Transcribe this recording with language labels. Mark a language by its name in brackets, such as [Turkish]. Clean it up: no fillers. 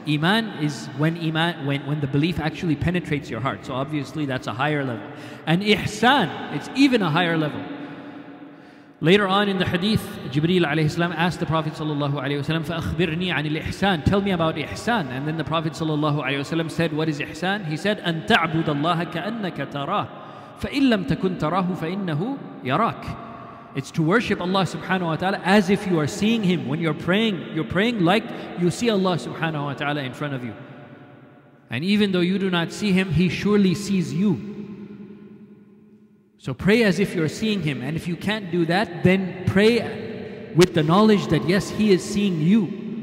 [English] Iman is when the belief actually penetrates your heart. So obviously that's a higher level. And Ihsan, it's even a higher level. Later on in the hadith, Jibreel alayhi salam asked the Prophet sallallahu alayhi wa sallam, [Arabic] فَأَخْبِرْنِي عَنِ الْإِحْسَانِ. [English] Tell me about Ihsan. And then the Prophet sallallahu alayhi wa sallam said, what is Ihsan? He said, [Arabic] أَن تَعْبُدَ اللَّهَ كَأَنَّكَ تَرَاهُ فَإِن لَمْ تَكُنْ تَرَاهُ فَإِنَّهُ يَرَاكُ. [English] It's to worship Allah subhanahu wa ta'ala as if you are seeing Him. When you're praying like you see Allah subhanahu wa ta'ala in front of you. And even though you do not see Him, He surely sees you. So pray as if you're seeing Him. And if you can't do that, then pray with the knowledge that yes, He is seeing you.